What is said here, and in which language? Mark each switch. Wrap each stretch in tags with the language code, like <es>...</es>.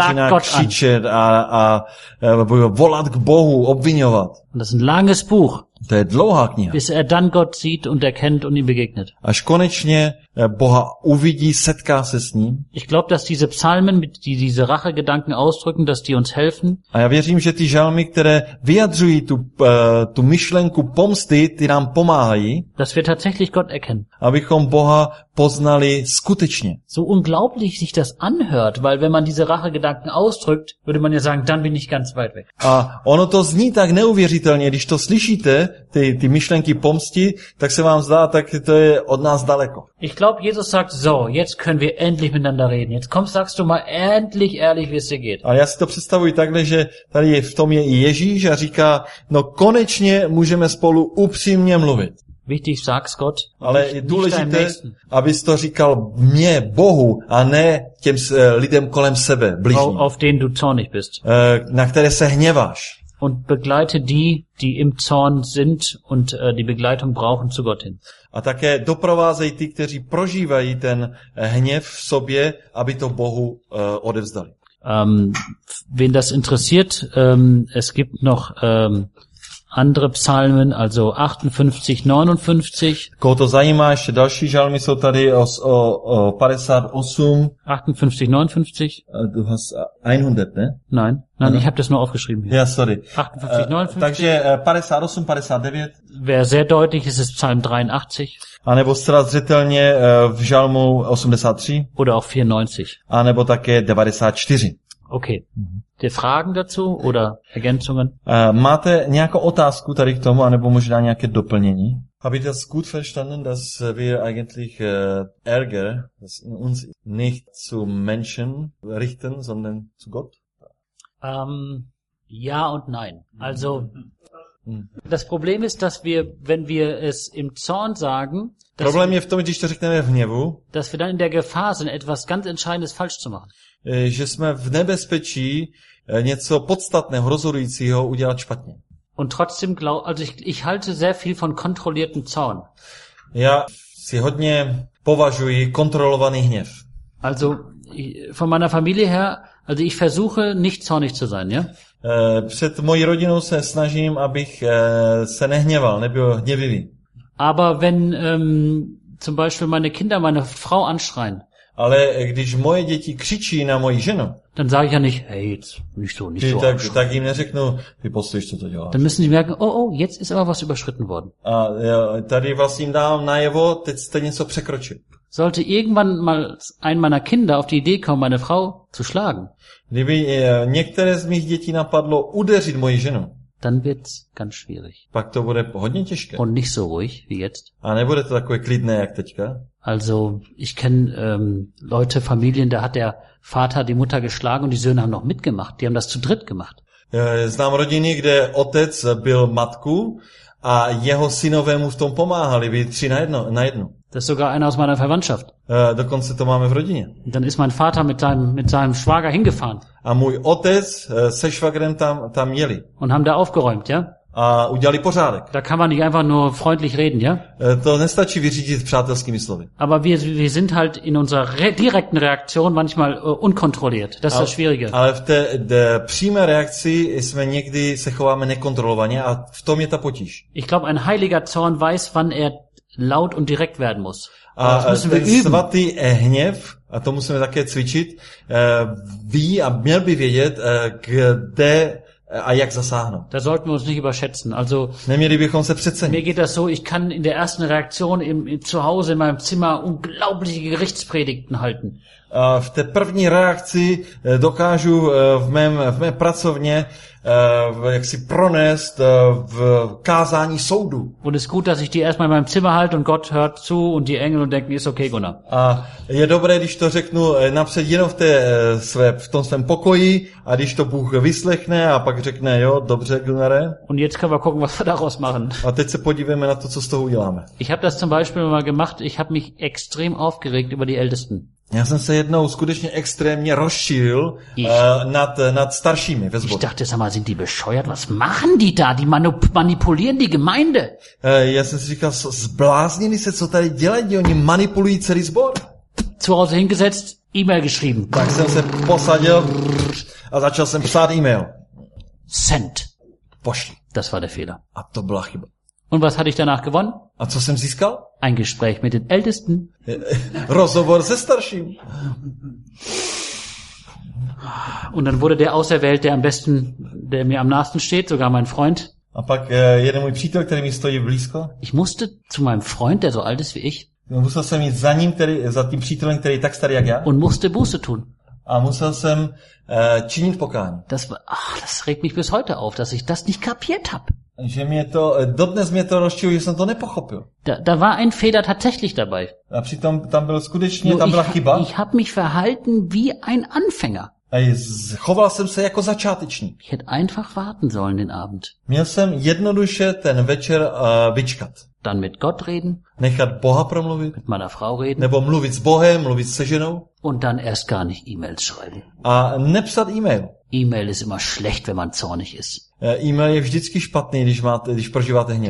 <cs>an. Pak začíná křičet a volat k Bohu, obviňovat.</cs> <de>Und das ist ein langes Buch.</de> <cs>To je dlouhá kniha.</cs> <de>Bis er dann Gott sieht und erkennt und ihm begegnet.</de> <cs>Až konečně Boha uvidí, setká se s ním.</cs> <de>Ich glaube, dass diese Psalmen, die diese Rachegedanken ausdrücken, dass die uns helfen.</de> <cs>A já věřím, že ty žalmy, které vyjadřují tu myšlenku pomsty, ty nám pomáhají.</cs> <de>Dass wir tatsächlich Gott erkennen.</de> <cs>Abychom Boha poznali skutečně.</cs> <de>So unglaublich sich das anhört, weil wenn man diese Rachegedanken ausdrückt, würde man ja sagen, dann bin ich ganz weit weg.</de> <cs>A ono to zní tak neuvěřitelně, když to slyšíte, ty myšlenky pomsti, tak se vám zdá, tak to je od nás daleko.</cs> <de>Ich glaube, Jesus sagt, so, jetzt können wir endlich miteinander reden. Jetzt komm, sagst du mal endlich ehrlich, wie es dir geht.</de> <cs>A já si to představuji takhle, že tady v tom je i Ježíš a říká, no konečně můžeme spolu upřímně mluvit.</cs> <de>Wichtig, sag's Gott.</de> <cs>Ale je důležité, abys to říkal mě, Bohu, a ne těm lidem kolem sebe, bližním.</cs> <de>Auf den du zornig bist.</de> <cs>Na které se hněváš.</cs> <de>Und begleite die im Zorn sind und die Begleitung brauchen zu Gott hin.</de> <cs>A také doprovázej ty, kteří prožívají ten hněv v sobě, aby to Bohu odevzdali.</cs> <de>Wen das interessiert, es gibt noch andere Psalmen, also 58, 59.</de> <cs>Koho to zajímá, ještě další žalmy jsou tady o 58.</cs> <de>58, 59. Du hast 100, ne? Nein, ich habe das nur aufgeschrieben. Ja, sorry. 58, 59.</de> <cs>Takže 58, 59.</cs> <de>Wäre sehr deutlich, es ist Psalm 83.</de> <cs>A nebo zcela zřetelně v žalmu 83.</cs> <de>Oder auch 94.</de> <cs>A nebo také 94.</cs> <de>Okay. Ty Fragen dazu oder Ergänzungen?</de> <cs>Máte nějakou otázku tady k tomu, anebo možná nějaké doplnění?</cs> <de>Habe ich das gut verstanden, dass wir eigentlich Ärger uns nicht zu Menschen richten, sondern zu Gott? Ja und nein. Also das Problem ist, dass wir, wenn wir es im Zorn sagen,</de> <cs>Problém je v tom, když to řekneme v hněvu,</cs> <de>dass wir dann in der Gefahr sind, etwas ganz Entscheidendes falsch zu machen.</de> <cs>Že jsme v nebezpečí něco podstatného, rozhodujícího udělat špatně.</cs> <de>Und trotzdem glaube, also ich halte sehr viel von kontrolliertem Zorn.</de> <cs>Ja, si hodně považuji kontrolovaný hněv.</cs> <de>Also von meiner Familie her, also ich versuche nicht zornig zu sein, ja?</de> <cs>Před mojí rodinou se snažím, abych se nehněval, nebyl hněvivý.</cs> <de>Aber wenn zum Beispiel meine Kinder meine Frau anschreien.</de> <cs>Ale když moje děti křičí na moji ženu,</cs> <de>dann sage ich ja nicht, hey, jetzt, nicht so, nicht so.</de> <cs>Tak jim neřeknu, ty postojíš, co to děláš.</cs> <de>Dann müssen sie merken, oh, jetzt ist aber was überschritten worden.</de> <cs>A ja, tady vlastně jim dám najevo, teď jste něco překročil.</cs> <de>Sollte irgendwann mal ein meiner Kinder auf die Idee kommen, meine Frau zu schlagen.</de> <cs>Kdyby některé z mých dětí napadlo udeřit moji ženu,</cs> <de>dann wird's ganz schwierig.</de> <cs>Pak to bude hodně těžké.</cs> <de>Und nicht so ruhig wie jetzt.</de> <cs>A nebude to takové klidné, jak teďka.</cs> <de>Also, ich kenne Leute, Familien, da hat der Vater die Mutter geschlagen und die Söhne haben noch mitgemacht. Die haben das zu dritt gemacht.</de> <cs>Znám rodiny, kde otec byl matku a jeho synové mu v tom pomáhali, byli tři na jedno.</cs> <de>Das ist sogar einer aus meiner Verwandtschaft.</de> <cs>Dokonce to máme v rodině.</cs> <de>Dann ist mein Vater mit seinem Schwager hingefahren.</de> <cs>A můj otec se švagrem tam jeli.</cs> <de>Und haben da aufgeräumt, ja?</de> <cs>A udělali pořádek.</cs> <de>Da kann man nicht einfach nur freundlich reden, ja?</de> <cs>To nestačí vyřídit přátelskými slovy.</cs> <de>Aber wir sind halt in unserer direkten Reaktion manchmal unkontrolliert. Das ist das Schwierige.</de> <cs>Ale v té přímé reakci jsme někdy se chováme nekontrolovaně a v tom je ta potíž.</cs> <de>Ich glaube, ein heiliger Zorn weiß, wann er laut und direkt werden muss.</de> <cs>A svatý hněv, a to musíme také cvičit, ví a měl by vědět, kde a jak zasáhnout.</cs> <de>Da sollten wir uns nicht überschätzen. Also,</de> <cs>neměli bychom se přecenit.</cs> <de>Mir geht das so, ich kann in der ersten Reaktion zu Hause in meinem Zimmer unglaubliche Gerichtspredigten halten.</de> <cs>A v té první reakci dokážu v mé pracovně jaksi pronést v kázání soudu.</cs> <de>Und ist gut, dass ich die erstmal in meinem Zimmer halte und Gott hört zu und die Engel und denken, ist okay, Gunnar.</de> <cs>A je dobré, když to řeknu napřed jenom v tom svém pokoji a když to Bůh vyslechne a pak řekne, jo, dobře, Gunnare.</cs> <de>Und jetzt können wir gucken, was wir daraus machen.</de> <cs>A teď se podívejme na to, co z toho uděláme.</cs> <de>Ich habe das zum Beispiel mal gemacht, ich habe mich extrem aufgeregt über die Ältesten.</de> <cs>Já jsem se jednou skutečně extrémně rozšířil nad staršími ve sboru.</cs> <de>Ich dachte, sag mal, sind die bescheuert? Was machen die da? Die manipulieren die Gemeinde.</de> <cs>Já jsem si říkal, zbláznili se, co tady dělají, oni manipulují celý sbor.</cs> <de>Zu Hause hingesetzt, E-Mail geschrieben.</de> <cs>Tak jsem se posadil a začal jsem psát e-mail.</cs> <en>Send.</en> <cs>Pošli.</cs> <de>Das war der Fehler.</de> <cs>A to byla chyba.</cs> <de>Und was hatte ich danach gewonnen?</de> <cs>A co jsem získal?</cs> <de>Ein Gespräch mit den Ältesten.</de> <cs>Rozhovor se starším.</cs> <de>Und dann wurde der auserwählt, der mir am nahesten steht, sogar mein Freund.</de> <cs>A pak jeden můj přítel, který mi stojí blízko.</cs> <de>Ich musste zu meinem Freund, der so alt ist wie ich.</de> <cs>Musel jsem jít za ním, za tím přítelem, který je tak starý jak já.</cs> <de>Und musste Buße tun.</de> <cs>A musel jsem činit pokání.</cs> <de>Das regt mich bis heute auf, dass ich das nicht kapiert habe.</de> <cs>Že mě to, dodnes mě to rozčilo, že jsem to nepochopil.</cs> <de>Da war ein Fehler tatsächlich dabei.</de> <cs>A přitom tam byl skutečně, no, tam byla chyba.</cs> <de>Ich habe mich verhalten wie ein Anfänger.</de> <cs>A choval jsem se jako začátečník.</cs> <de>Ich hätte einfach warten sollen den Abend.</de> <cs>Měl jsem jednoduše ten večer vyčkat.</cs> <de>Dann mit Gott reden.</de> <cs>Nechat Boha promluvit.</cs> <de>Mit meiner Frau reden.</de> <cs>Nebo mluvit s Bohem, mluvit se ženou.</cs> <de>Und dann erst gar nicht E-Mails schreiben.</de> <cs>A nepsat e-mail.</cs> <de>E-Mail ist immer schlecht, wenn man zornig ist.</de> <cs>E-mail je vždycky špatný, když prožíváte hněv.</cs>